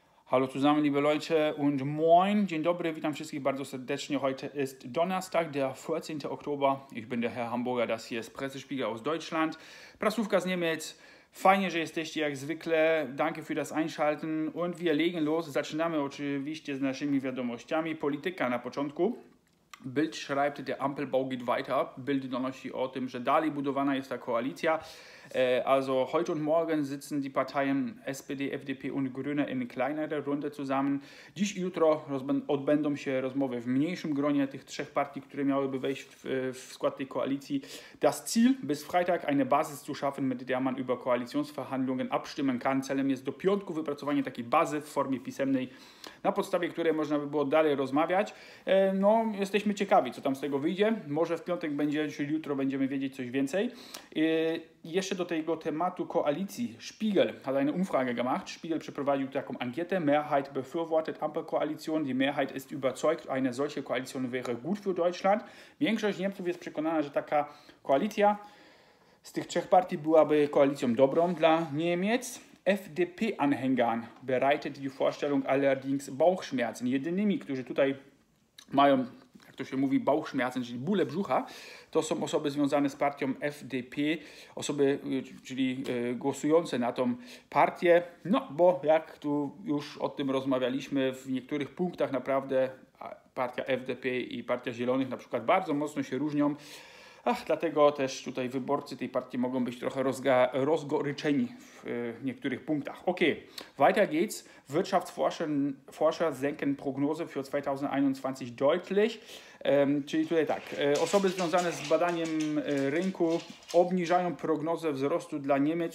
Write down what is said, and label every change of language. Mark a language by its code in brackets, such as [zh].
[de] Hallo zusammen, liebe Leute und moin, [pl] dzień dobry, witam wszystkich bardzo serdecznie. [de] Heute ist Donnerstag, der 14. Oktober. Ich bin der Herr Hamburger, das hier ist Pressespiegel aus Deutschland. [pl] Prasówka z Niemiec, fajnie, że jesteście jak zwykle. [de] Danke für das Einschalten und wir legen los. [pl] Zaczynamy oczywiście z naszymi wiadomościami. Polityka na początku. [de] Bild schreibt, der Ampelbau geht weiter. [pl] Bild donosi o tym, że dalej budowana jest ta koalicja. [de] Also heute und morgen sitzen die Parteien SPD, FDP und Grüne in kleinerer Runde zusammen. [pl] Dziś i jutro odbędą się rozmowy w mniejszym gronie tych trzech partii, które miałyby wejść w skład tej koalicji. [de] Das Ziel, bis Freitag eine Basis zu schaffen, mit der man über Koalitionsverhandlungen abstimmen kann. [pl] Celem jest do piątku wypracowanie takiej bazy w formie pisemnej, na podstawie której można by było dalej rozmawiać. No, jesteśmy ciekawi, co tam z tego wyjdzie. Może w piątek będzie, czy jutro będziemy wiedzieć coś więcej. Jeszcze do tego tematu koalicji. [de] Spiegel hat eine Umfrage gemacht. [pl] Spiegel przeprowadził taką ankietę. [de] Mehrheit befürwortet Ampelkoalition. Die Mehrheit ist überzeugt, eine solche Koalition wäre gut für Deutschland. [pl] Większość Niemców jest przekonana, że taka koalicja z tych trzech partii byłaby koalicją dobrą dla Niemiec. [de] FDP-Anhängern bereitet die Vorstellung allerdings Bauchschmerzen. [pl] Jedynymi, którzy tutaj mają, jak to się mówi, Bauchschmerzen, czyli bóle brzucha, to są osoby związane z partią FDP, osoby, czyli głosujące na tą partię. No, bo jak tu już o tym rozmawialiśmy, w niektórych punktach naprawdę partia FDP i partia Zielonych na przykład bardzo mocno się różnią. Ach, dlatego też tutaj wyborcy tej partii mogą być trochę rozgoryczeni w niektórych punktach. [de] Okay, weiter geht's. Wirtschaftsforscher senken Prognose für 2021 deutlich. [pl] Czyli tutaj tak, osoby związane z badaniem rynku obniżają prognozę wzrostu dla Niemiec.